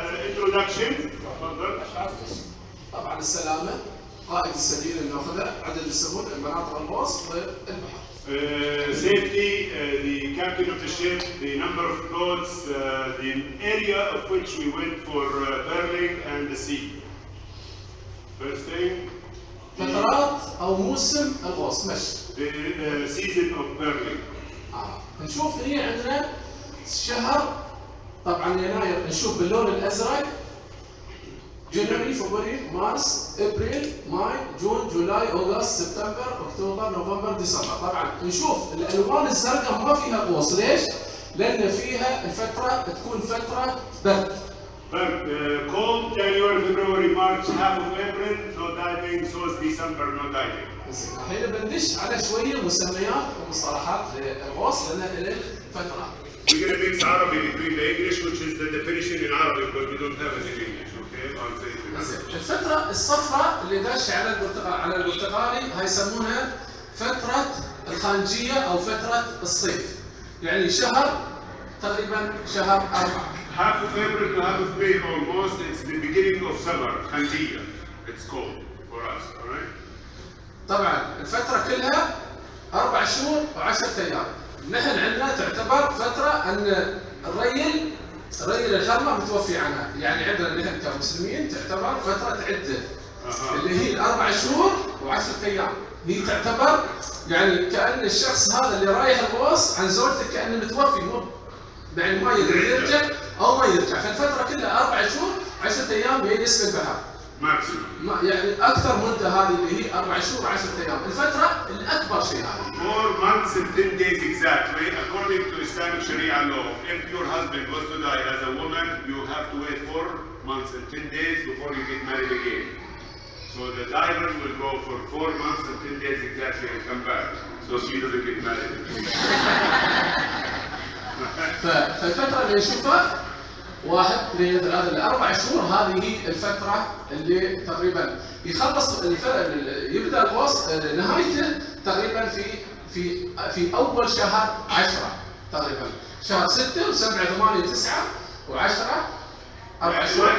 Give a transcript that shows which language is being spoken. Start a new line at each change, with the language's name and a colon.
Arabic: Introduction. طبعا السلامة قائد السفينة اللي ناخذها عدد السفن المناطق الغوص والبحر.
English: Safety, the captain of the ship, the number of boats, the area of which we went for perling and the sea. First thing.
Arabic: فترات أو موسم الغوص مش.
English: The season of perling.
Arabic: نشوف هي عندنا شهر طبعا يناير نشوف باللون الازرق
English: January February March April May June July August September October November December.
Arabic: طبعا نشوف الالوان الزرقاء ما فيها غوص، ليش؟ لان فيها الفتره تكون فتره برد.
English: Cold January February March half of April no diving سوز December no diving.
Arabic: الحين بندش على شويه مسميات ومصطلحات للغوص لان الفتره.
English: We're going to mix Arabic between the English, which is the definition in Arabic, but we don't have it in English, okay? I'll say it in English.
Arabic: الفترة الصفراء اللي داش على البرتقالي هاي يسمونها فترة الخانجية أو فترة الصيف. يعني شهر تقريبا شهر أربعة.
English: Half of April to half of May almost, it's the beginning of summer, خانجية. It's cold for us, alright?
Arabic: طبعا الفترة كلها أربع شهور وعشرة أيام. نحن عندنا تعتبر فترة أن الريل الخرمة متوفي عنها، يعني عندنا نحن كمسلمين تعتبر فترة عدة اللي هي الأربع شهور وعشرة أيام، هي تعتبر يعني كأن الشخص هذا اللي رايح الغوص عن زوجته كأنه متوفي، مو يعني ما يقدر يرجع أو ما يرجع، فالفترة كلها أربع شهور عشرة أيام هي اسم البحر.
English: Maximum.
Arabic: يعني أكثر مدة هذه اللي هي أربع شهور عشرة أيام، الفترة الأكبر شيء هذه.
English: Four months and 10 days exactly, according to Islamic Sharia law. If your husband was to die as a woman, you have to wait 4 months and 10 days before you get married again. So the diver will go for 4 months and 10 days exactly and come back. So she doesn't get married.
Arabic: فالفترة اللي نشوفها واحد اثنين ثلاثة الأربع شهور هذه هي الفترة اللي تقريبا يخلص يبدا الغوص نهايته تقريبا في اول شهر 10 تقريبا شهر 6 و7 8 9 و10 اربع شهور.